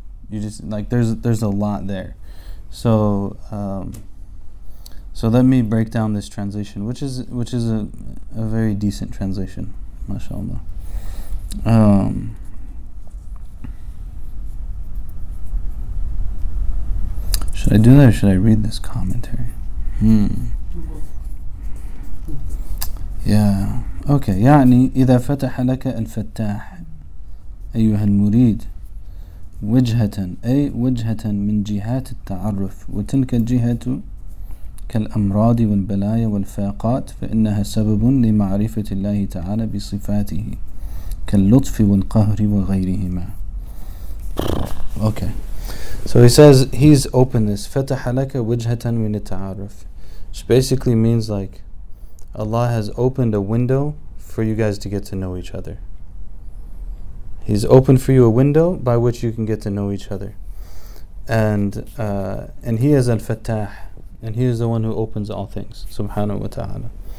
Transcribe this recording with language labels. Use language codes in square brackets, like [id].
[en] You just, like, there's a lot there. So, so let me break down this translation, which is a very decent translation, mashallah. Should I do that, or should I read this commentary? Yeah. Okay. [ar] يعني إذا فتح لك الفتاح أيها المريد وجهة أي وجهة من جهات التعرف وتلك الجهة كالأمراض والبلايا والفاقات فإنها سبب لمعرفة الله تعالى بصفاته كاللطف والقهر وغيرهما. [en] Okay. So he says he's opened this. [ar] فَتَحَ لَكَ وَجْهَةً مِنِ التَّعَارِفِ, [en] which basically means like Allah has opened a window for you guys to get to know each other. He's opened for you a window by which you can get to know each other. And he is al-Fattah, and he is the one who opens all things, subhanahu wa ta'ala.